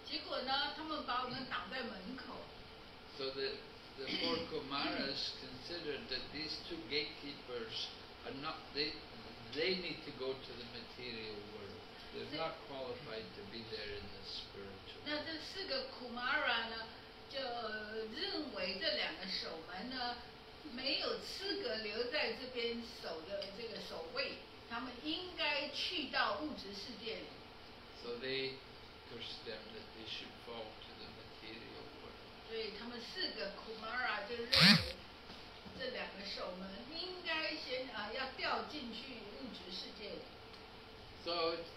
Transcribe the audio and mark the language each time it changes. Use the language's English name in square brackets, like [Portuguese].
[Chinese] 那我们一路呢，穿越了物质世界，来到这边要进到灵性世界的大门了。结果呢，他们把我们挡在门口。So [English] the four Kumaras considered that these two gatekeepers are not they need to go to the material world. They're not qualified to be there in the spiritual. [Chinese] 那这四个 Kumara 呢，就认为这两个守门呢。没有资格留在这边守的这个守卫，他们应该去到物质世界里。So [English] they pushed them that they should fall to the material world. [Chinese] 所以他们四个 Kumara 就认为这两个守门应该先要掉进去物质世界里。So